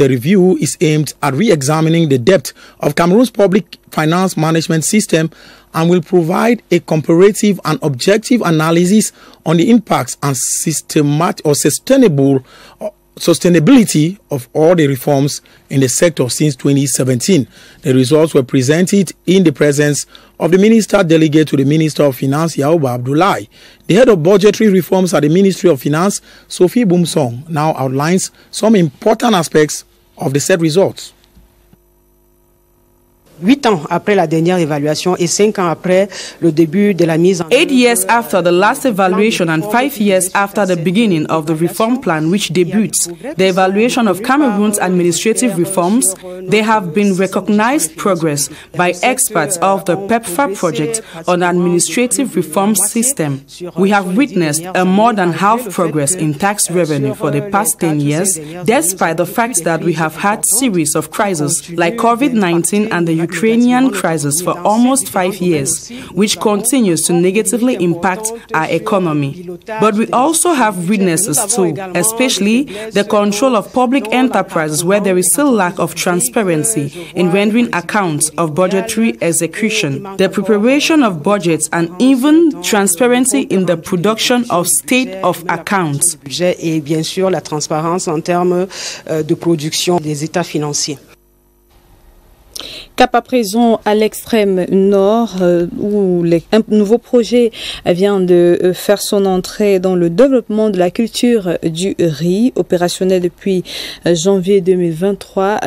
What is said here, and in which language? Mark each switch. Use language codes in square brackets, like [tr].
[en] The review is aimed at re-examining the depth of Cameroon's public finance management system and will provide a comparative and objective analysis on the impacts and sustainability of all the reforms in the sector since 2017. The results were presented in the presence of the Minister Delegate to the Minister of Finance, Yaoba Abdullahi. The Head of Budgetary Reforms at the Ministry of Finance, Sophie Boumsong, now outlines some important aspects of the said results. [fr] 8 ans après la dernière évaluation et 5 ans après le début de la mise en œuvre. [en] 8 years after the last evaluation and 5 years after the beginning of the reform plan, which debuts the evaluation of Cameroon's administrative reforms, there have been recognized progress by experts of the PEPFAR project on administrative reform system. We have witnessed a more than half progress in tax revenue for the past 10 years, despite the fact that we have had series of crises like COVID-19 and the Ukrainian crisis for almost 5 years, which continues to negatively impact our economy. But we also have witnesses too, especially the control of public enterprises where there is still lack of transparency in rendering accounts of budgetary execution, the preparation of budgets, and even transparency in the production of state of accounts. [fr] Et bien sûr la transparence en termes de production des états financiers. Cap à présent à l'extrême nord, où un nouveau projet vient de faire son entrée dans le développement de la culture du riz, opérationnel depuis janvier 2023.